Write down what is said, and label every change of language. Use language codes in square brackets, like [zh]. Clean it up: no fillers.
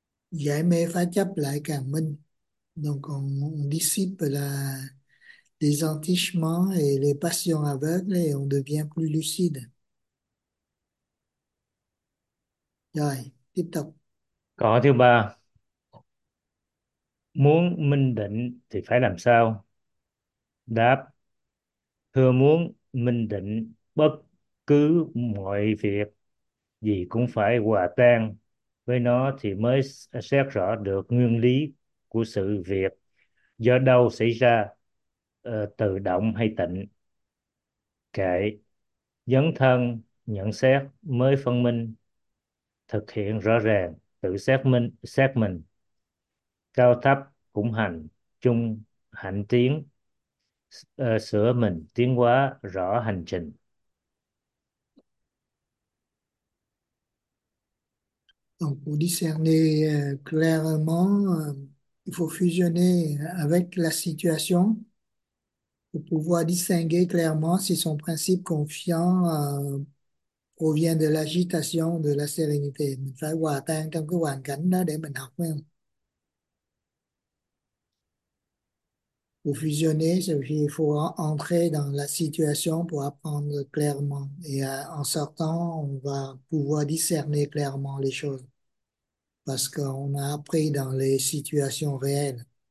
[vi] Giải mê phá chấp lại càng minh. [fr] Donc on dissipe les entichements et les passions aveugles et on devient plus lucide. [vi] Rồi, tiếp tục. Câu thứ ba, muốn minh định thì phải làm sao? Đáp, thưa muốn minh định bất cứ mọi việc gì cũng phải hòa tan với nó thì mới xét rõ được nguyên lý của sự việc do đâu xảy ra, tự động hay tịnh. Kệ, dấn thân, nhận xét mới phân minh, thực hiện rõ ràng, tự xét mình, cao thấp cũng hành, chung hạnh tiến, sửa mình, tiến hóa, rõ hành trình. [fr] Donc, pour discerner clairement, il faut fusionner avec la situation pour pouvoir distinguer clairement si son principe confiant provient de l'agitation, de la sérénité. [vi] Mình phải hòa tan trong cái hoàn cảnh đó để mình học, phải không? [fr] Pour fusionner, il faut entrer dans la situation pour apprendre clairement. Et en sortant, on va pouvoir discerner clairement les choses. Parce qu'on a appris dans les situations réelles.